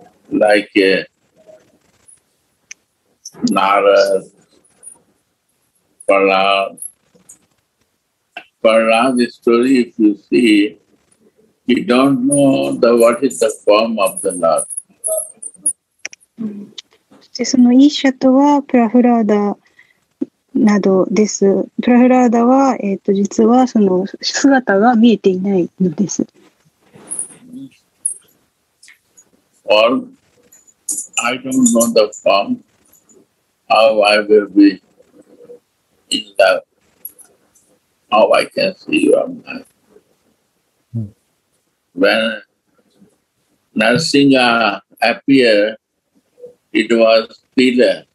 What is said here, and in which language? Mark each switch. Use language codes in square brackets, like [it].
[en] Like Narad, Prahlad. Prahlad's story, if you see, you don't know the, what is the form of the Lord. [ja] So, Isha とは Prahlada などです。 Prahlada は、実はその姿が見えていないのです。 [en] Or,I don't know the form how I will be in love, how I can see you are mine. when Narasingha appeared, it was Pila.